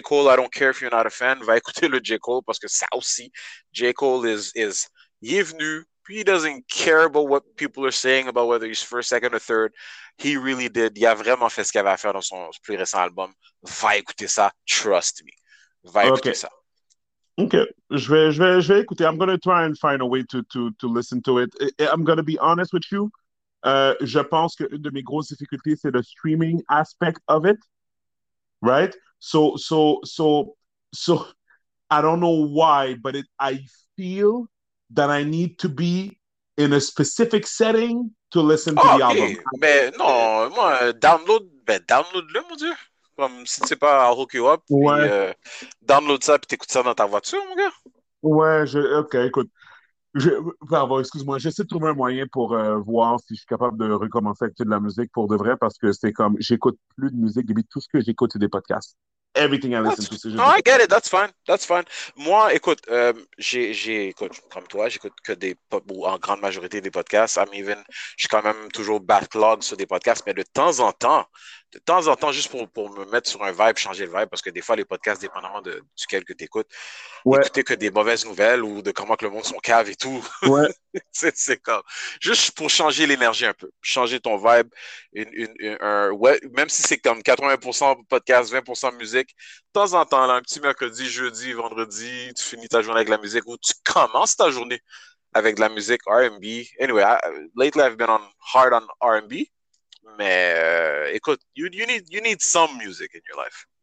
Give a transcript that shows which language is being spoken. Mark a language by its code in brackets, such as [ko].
[fr] Cole, [en] I don't care if you're not a fan, [fr] va écouter le J. Cole parce que ça aussi, J. Cole is. Il est venu. [en] He doesn't care about what people are saying about whether he's first, second, or third. He really did. [fr] Il a vraiment fait ce qu'il avait à faire dans son plus récent album. Va écouter ça. [en] Trust me. [fr] Va écouter ça. OK. Je vais écouter. [en] I'm going to try and find a way to listen to it. I'm going to be honest with you. [fr] Je pense qu'une de mes grosses difficultés, c'est le streaming [en] aspect of it. Right? So, I don't know why, but I feel that I need to be in a specific setting to listen to the album. [fr] Mais non, moi, download-le, mon Dieu. Comme si tu sais pas, [en] I'll hook you up. [fr] Ouais. Puis, download ça, puis t'écoutes ça dans ta voiture, mon gars. Ouais, écoute. Pardon, excuse-moi, j'essaie de trouver un moyen pour voir si je suis capable de recommencer à écouter de la musique pour de vrai, parce que c'est comme, j'écoute plus de musique, depuis tout ce que j'écoute, c'est des podcasts. [en] Everything I listen to, [fr] c'est juste. [en] No, I get it, that's fine, that's fine. [fr] Moi, écoute, écoute, comme toi, j'écoute que des, ou en grande majorité des podcasts. [en] I'm even, [fr] j'ai quand même toujours backlog sur des podcasts, mais de temps en temps, juste pour me mettre sur un vibe, changer le vibe, parce que des fois, les podcasts, dépendamment de duquel que t'écoutes, ouais, écouter que des mauvaises nouvelles ou de comment que le monde sont cave et tout. Ouais. c'est comme, juste pour changer l'énergie un peu, changer ton vibe, ouais, même si c'est comme 80% podcast, 20% musique, de temps en temps, là, un petit mercredi, jeudi, vendredi, tu finis ta journée avec la musique ou tu commences ta journée avec de la musique R&B. [en] Anyway, lately I've been hard on R&B, [fr] mais écoute, [en] you need some music in your life.